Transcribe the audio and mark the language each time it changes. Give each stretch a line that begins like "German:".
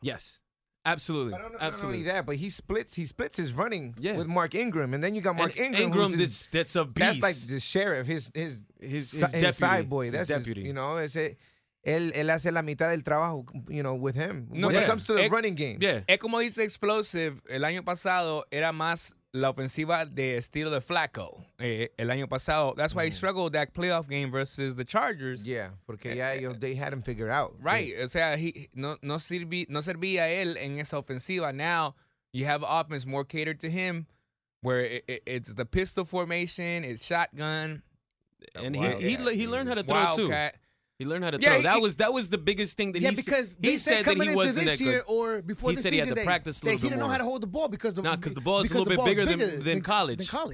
English: Yes. Absolutely. But absolutely. Not only that, but he splits his running with Mark Ingram, and then you got Mark Ingram. That's a beast. That's like the sheriff, his side boy. That's his deputy. You know,
Spanish: él hace la mitad del trabajo,
English: you know, with him. No, when it comes to the running game. Yeah.
Spanish: Es como dice Xplosive, el año pasado era más la ofensiva de estilo de Flacco. El año pasado,
English: that's why he struggled that playoff game versus the Chargers. Yeah,
Spanish: porque
English: they had him figured out. Right,
Spanish: o sea, no servía él en esa ofensiva.
English: Now you have an offense more catered to him, where it's the pistol formation, it's shotgun, and he learned how to throw. That was the biggest thing that he said he had to practice a little bit more because the ball is a little bit bigger than college.